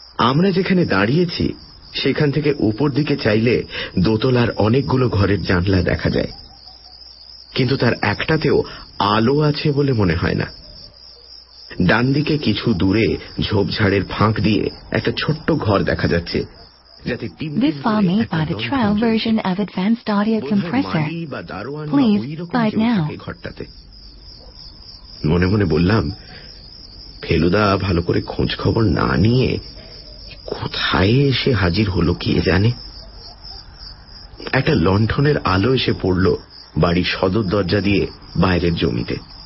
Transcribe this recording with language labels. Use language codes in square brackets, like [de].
[bn] আমরা যেখানে দাঁড়িয়েছি সেখান থেকে উপর দিকে চাইলে দোতলার অনেকগুলো ঘরের জানলা দেখা যায়, কিন্তু তার একটাতেও আলো আছে বলে মনে হয় না। ডান দিকে কিছু দূরে ঝোপঝাড়ের ফাঁক দিয়ে একটা ছোট্ট ঘর দেখা যাচ্ছে। [en] This farm made by the trial version of advanced audio compressor. Please, buy it now. [bn] মনে মনে বললাম, ফেলুদা ভালো করে খোঁজ খবর না নিয়ে কোথায় এসে হাজির হলো কে জানে। একটা লণ্ঠনের আলো এসে পড়ল বাড়ির সদর দরজা দিয়ে বাইরের জমিতে।